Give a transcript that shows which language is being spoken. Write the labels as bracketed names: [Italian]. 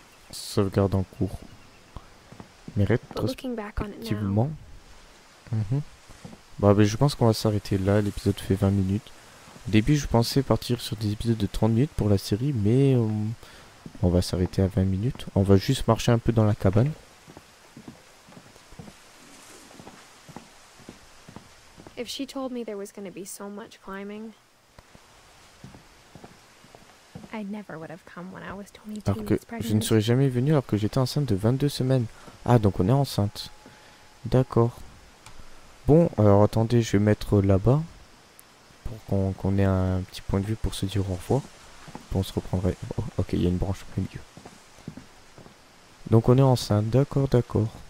[French] Sauvegarde en cours. Mais rétrospectivement, Bah, je pense qu'on va s'arrêter là, l'épisode fait 20 minutes. Au début, je pensais partir sur des épisodes de 30 minutes pour la série, mais on va s'arrêter à 20 minutes. On va juste marcher un peu dans la cabane. [English] If she told me there was going to be so much climbing, I never would have come when I was 22 [French] alors que je ne serais jamais venu alors que j'étais enceinte de 22 semaines. Ah, donc on est enceinte. D'accord. Bon, alors attendez, je vais mettre là-bas pour qu'on ait un petit point de vue pour se dire au revoir. Bon, on se reprendrait. Oh, ok, il y a une branche au milieu. Donc on est enceinte, d'accord, d'accord.